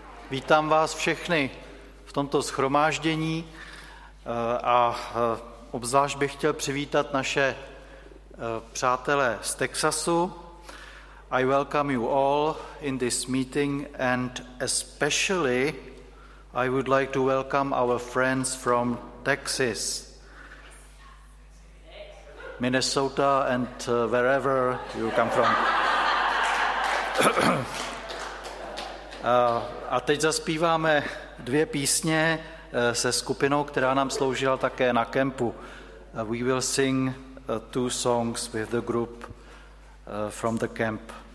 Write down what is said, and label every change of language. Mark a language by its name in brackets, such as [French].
[Czech] Vítám vás všechny v tomto shromáždění a obzvlášť bych chtěl přivítat naše přátelé z Texasu. [English] I welcome you all in this meeting and especially I would like to welcome our friends from Texas, Minnesota and wherever you come from. [Czech] A teď zaspíváme dvě písně se skupinou, která nám sloužila také na kempu. [English] We will sing two songs with the group from the camp.